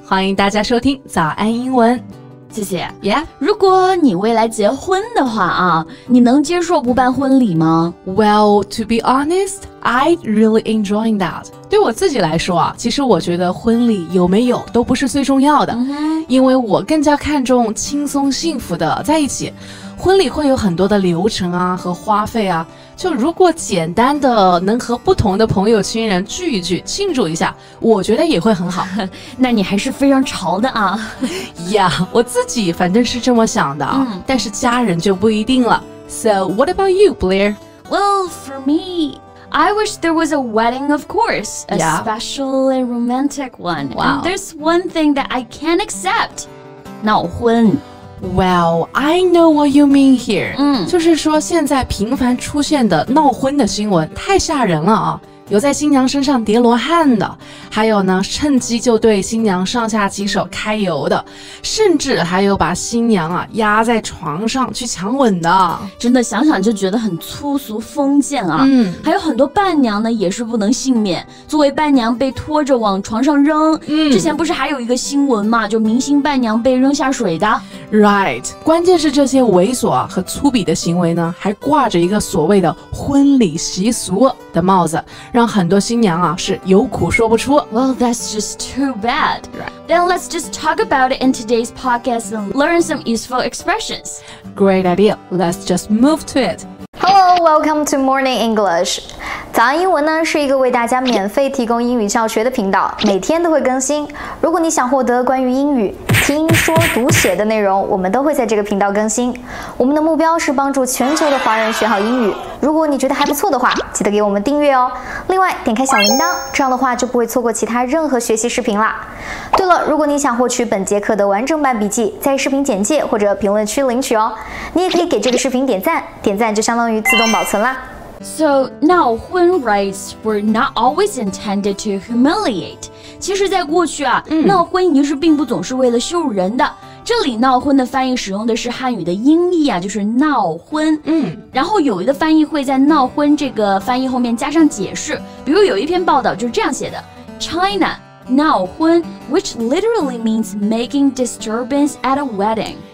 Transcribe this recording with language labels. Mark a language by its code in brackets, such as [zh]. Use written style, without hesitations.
[zh] 欢迎大家收听早安英文。谢谢。 [en] Yeah? [zh] 如果你未来结婚的话啊，你能接受不办婚礼吗？ [en] Well, to be honest, I really enjoy that. [zh] 对我自己来说啊，其实我觉得婚礼有没有都不是最重要的、因为我更加看重轻松幸福的在一起。婚礼会有很多的流程啊和花费啊，就如果简单的能和不同的朋友亲人聚一聚庆祝一下，我觉得也会很好。那你还是非常潮的啊。 Yeah, 我自己反正是这么想的、但是家人就不一定了。 [en] So what about you, Blair? Well, for me, I wish there was a wedding, of course. A、 yeah. special and romantic one. Wow. And there's one thing that I can't accept. [zh] 闹婚。 [en] Well, I know what you mean here. [zh] 就是说现在频繁出现的闹婚的新闻太吓人了啊，有在新娘身上叠罗汉的，还有呢趁机就对新娘上下其手揩油的，甚至还有把新娘啊压在床上去强吻的，真的想想就觉得很粗俗封建啊。还有很多伴娘呢也是不能幸免，作为伴娘被拖着往床上扔。之前不是还有一个新闻嘛，就明星伴娘被扔下水的。 Right, 关键是这些猥琐和粗鄙的行为呢还挂着一个所谓的婚礼习俗的帽子，让很多新娘啊是有苦说不出。 [en] Well, that's just too bad. Right. Then let's just talk about it in today's podcast and learn some useful expressions. Great idea. Let's just move to it. Hello, welcome to Morning English. [zh] 早安英文呢是一个为大家免费提供英语教学的频道，每天都会更新。如果你想获得关于英语听说读写的内容，我们都会在这个频道更新。我们的目标是帮助全球的华人学好英语。如果你觉得还不错的话，记得给我们订阅哦。另外点开小铃铛，这样的话就不会错过其他任何学习视频了。对了，如果你想获取本节课的完整版笔记，在视频简介或者评论区领取哦。你也可以给这个视频点赞，点赞就相当于自动保存啦。 [en] So, 闹婚 rites were not always intended to humiliate. [zh] 其实在过去啊、闹婚仪式并不总是为了羞辱人的。这里闹婚的翻译使用的是汉语的音译啊，就是闹婚。然后有一个翻译会在闹婚这个翻译后面加上解释，比如有一篇报道就是这样写的， China, 闹婚 [en] which literally means making disturbance at a wedding.